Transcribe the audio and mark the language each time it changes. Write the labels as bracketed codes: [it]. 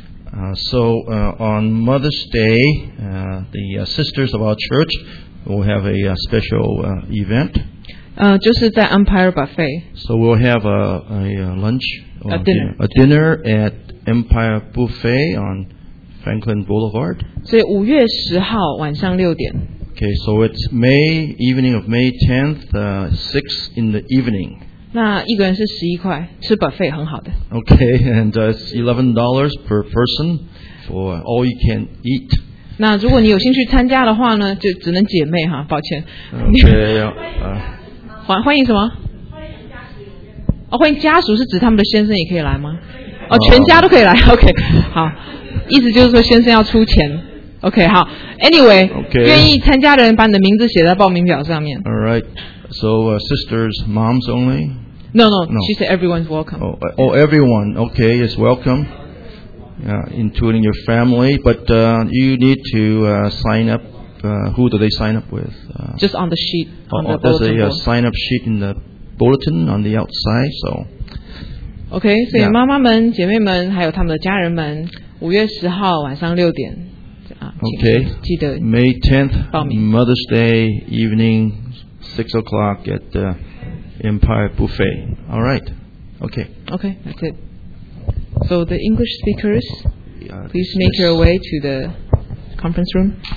[en] On Mother's Day, sisters of our church will have a special event. [zh] 就是在 Empire Buffet. [en] So we'll have a lunch, or a dinner. A dinner at Empire Buffet on Franklin Boulevard. [zh] 所以五月十号晚上六点。 [en] Okay, so it's May evening of May 10th, 6 in the evening. [zh] 那一个人是十一块，吃 buffet 很好的。 [en] Okay, and it's $11 per person for all you can eat. [zh] 那如果你有兴趣参加的话呢，就只能姐妹哈，抱歉。 [en] Okay, [zh] 欢迎什么？哦，欢迎家属是指他们的先生也可以来吗？哦，全家都可以来。 OK， 好，意思就是说先生要出钱。 [en] OK， [zh] 好。 [en] Anyway， okay. [zh] 愿意参加的人把你的名字写在报名表上面。 [en] All right. So sisters, moms only? No. She said everyone's welcome. Oh, everyone. Okay, is welcome. Yeah, including your family. But you need to sign up. Who do they sign up with? Just on the sheet. There's a sign up sheet in the bulletin on the outside. So. Okay. [zh] 所以妈妈们、姐妹们还有他们的家人们，五月十号晚上六点。 [en] Okay. [zh] 记得。 [en] May 10th, Mother's Day evening, 6 o'clock at the Empire Buffet. All right. Okay. Okay. That's it. So the English speakers, please make your way to the conference room.